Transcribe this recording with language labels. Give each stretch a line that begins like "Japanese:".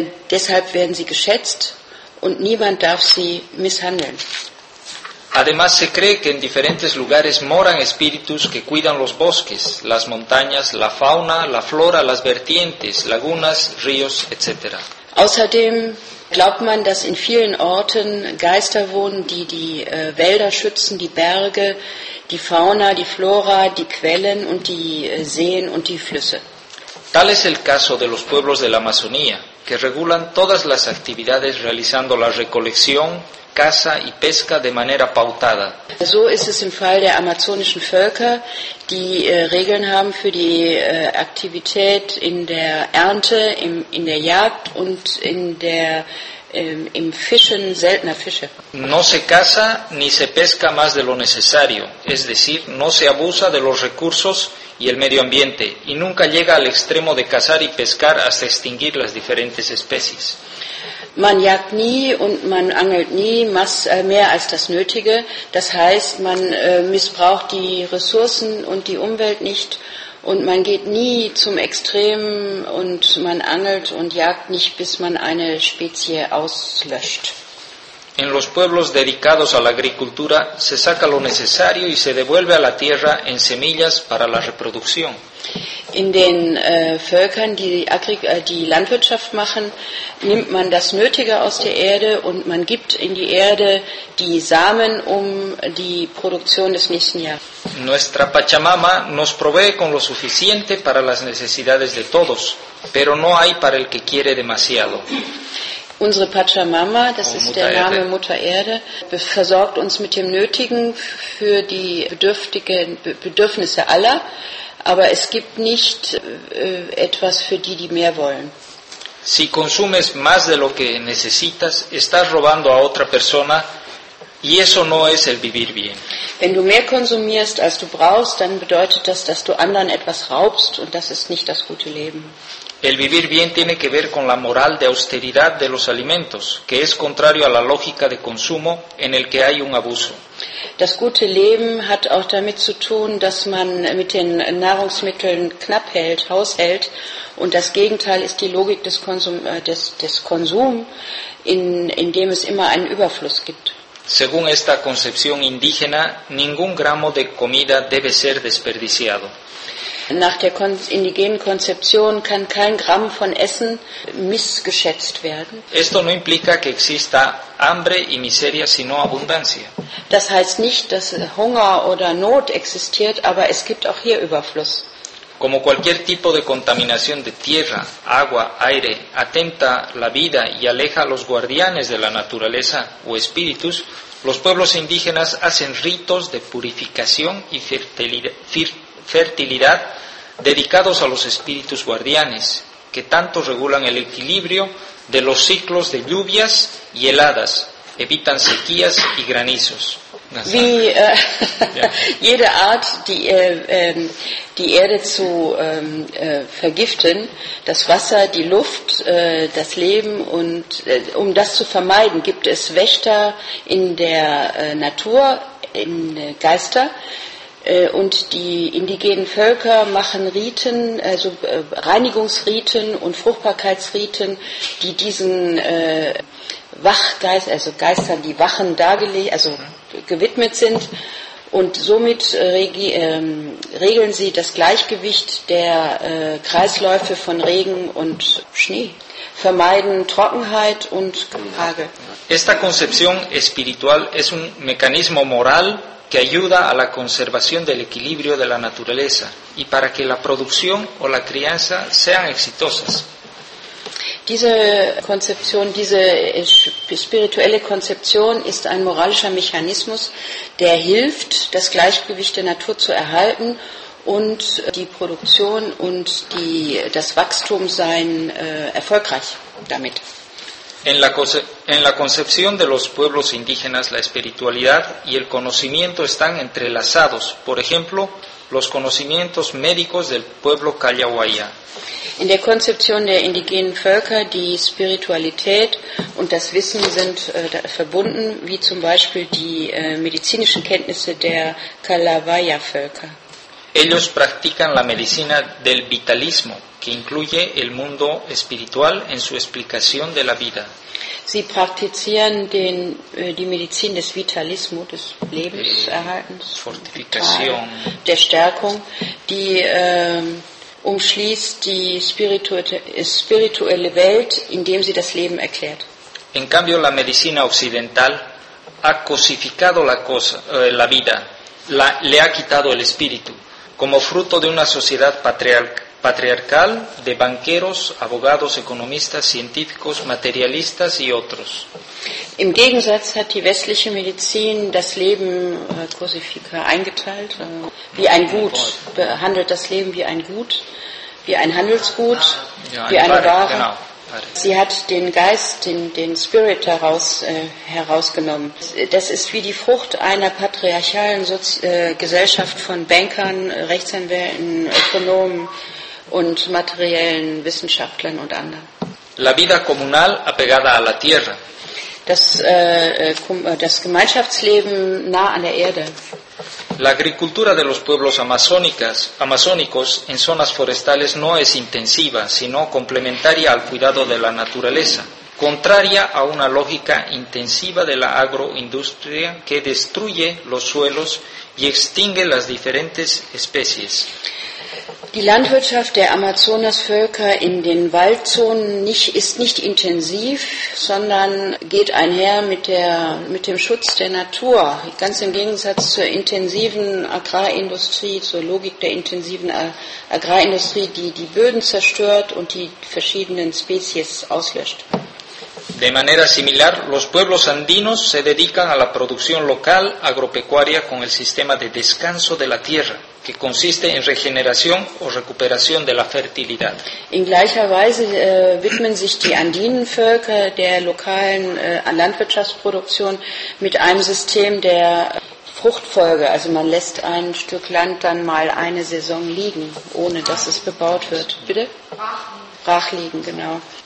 German: Deshalb werden sie geschätzt und niemand darf sie misshandeln.
Spanish: Además, se cree que en diferentes lugares moran espíritus que cuidan los bosques, las montañas, la fauna, la flora, las vertientes, lagunas, ríos, etc.
German: Außerdem glaubt man, dass in vielen Orten Geister wohnen, die die Wälder schützen, die Berge, die Fauna, die Flora, die Quellen und die Seen und die Flüsse.
Spanish: Tal es el caso de los pueblos de la Amazonía, que regulan todas las actividades realizando la recolección, caza y pesca de manera pautada.
German: So ist es im Fall der amazonischen Völker, die Regeln haben für die Aktivität in der Ernte, in der Jagd und in der im Fischen seltener Fische.
Spanish: No se caza ni se pesca más de lo necesario, es decir, no se abusa de los recursos y el medio ambiente y nunca llega al extremo de cazar y pescar hasta extinguir las diferentes especies.
German: Man jagt nie und man angelt nie mehr als das Nötige. Das heißt, man missbraucht die Ressourcen und die Umwelt nicht und man geht nie zum Extrem und man angelt und jagt nicht, bis man eine Spezie auslöscht.
Spanish: En los pueblos dedicados a la agricultura se saca lo necesario y se devuelve a la tierra en semillas para la reproducción.
German: In den Völkern, die Landwirtschaft machen, nimmt man das Nötige aus der Erde und man gibt in die Erde die Samen, um die Produktion des nächsten Jahres.
Spanish: Nuestra Pachamama nos provee con lo suficiente para las necesidades de todos, pero no hay para el que quiere demasiado.
German: Unsere Pachamama, das ist der Name Mutter Erde, versorgt uns mit dem Nötigen für die bedürftigen Bedürfnisse aller, aber es gibt nicht etwas für die, die mehr wollen.
Spanish: Si consumes más de lo que necesitas, estás robando a otra persona y eso no es el vivir bien.
German: Wenn du mehr konsumierst, als du brauchst, dann bedeutet das, dass du anderen etwas raubst und das ist nicht das gute Leben.
Spanish: El vivir bien tiene que ver con la moral de austeridad de los alimentos, que es contrario a la lógica de consumo en el que hay un abuso.
German: Das gute Leben hat auch damit zu tun, dass man mit den Nahrungsmitteln knapp hält, haushält, und das Gegenteil ist die Logik des Konsum, in dem es immer einen Überfluss gibt.
Spanish: Según esta concepción indígena, ningún gramo de comida debe ser desperdiciado.
German: Nach der indigenen Konzeption kann kein Gramm von Essen missgeschätzt werden.
Spanish: Esto no implica que exista hambre y miseria, sino abundancia.
German: Das heißt nicht, dass Hunger oder Not existiert, aber es gibt auch hier Überfluss.
Spanish: Como cualquier tipo de contaminación de tierra, agua, aire, atenta la vida y aleja a los guardianes de la naturaleza o espíritus, los pueblos indígenas hacen ritos de purificación y fertilidad dedicados a los espíritus guardianes, que tanto regulan el equilibrio de los ciclos de lluvias y heladas, evitan sequías y granizos.
German: Wie jede Art, die Erde zu vergiften, das Wasser, die Luft, das Leben, und um das zu vermeiden, gibt es Wächter in der Natur, in Geister, und die indigenen Völker machen Riten, also Reinigungsriten und Fruchtbarkeitsriten, die diesen Wachgeist, also Geistern, die wachen, dargelegt, also gewidmet sind, und somit regeln sie das Gleichgewicht der Kreisläufe von Regen und Schnee, vermeiden Trockenheit und Hagel.
Spanish: Esta concepción espiritual es un mecanismo moral que ayuda a la conservación del equilibrio de la naturaleza y para que la producción o la crianza sean exitosas.
German: Diese Konzeption, diese spirituelle Konzeption ist ein moralischer Mechanismus, der hilft, das Gleichgewicht der Natur zu erhalten und die Produktion und das Wachstum seien erfolgreich damit.
Spanish: En la concepción de los pueblos indígenas, la espiritualidad y el conocimiento están entrelazados. Por ejemplo, los conocimientos médicos del pueblo Kalawaya.
German: In der Konzeption der indigenen Völker, die Spiritualität und das Wissen sind verbunden, wie zum Beispiel die medizinischen Kenntnisse der Kalawaya-Völker.
Spanish: Ellos practican la medicina del vitalismo, que incluye el mundo espiritual en su explicación de la vida.
German: Sie praktizieren den, die Medizin des Vitalismus, des Lebenserhaltens, Fortifikation. Der Stärkung, die umschließt die spirituelle Welt, indem sie das Leben erklärt.
Spanish: En cambio, la medicina occidental ha cosificado la cosa, la vida, le ha quitado el espíritu, como fruto de una sociedad patriarcal de banqueros, abogados, economistas, científicos, materialistas y otros.
German: Im Gegensatz hat die westliche Medizin das Leben eingeteilt wie ein Gut, behandelt das Leben wie ein Gut, wie ein Handelsgut, wie eine Ware. Genau. Sie hat den Geist, den Spirit daraus herausgenommen. Das ist wie die Frucht einer patriarchalen Gesellschaft von Bankern, Rechtsanwälten, Ökonomen und materiellen Wissenschaftlern und anderen.
Spanish: La vida comunal apegada a la tierra.
German: Das Gemeinschaftsleben nah an der Erde.
Spanish: La agricultura de los pueblos amazónicos en zonas forestales no es intensiva, sino complementaria al cuidado de la naturaleza, contraria a una lógica intensiva de la agroindustria que destruye los suelos y extingue las diferentes especies.
German: Die Landwirtschaft der Amazonasvölker in den Waldzonen ist nicht intensiv, sondern geht einher mit dem Schutz der Natur. Ganz im Gegensatz zur intensiven Agrarindustrie, zur Logik der intensiven Agrarindustrie, die die Böden zerstört und die verschiedenen Spezies auslöscht.
Spanish: De manera similar, los pueblos andinos se dedican a la producción local agropecuaria con el sistema de descanso de la tierra, que consiste en regeneración o recuperación de la fertilidad.
German: In gleicher Weise widmen sich die Andinenvölker der lokalen Landwirtschaftsproduktion mit einem System der Fruchtfolge. Also man lässt ein Stück Land dann mal eine Saison liegen, ohne dass es bebaut wird. Bitte? Brach liegen, genau.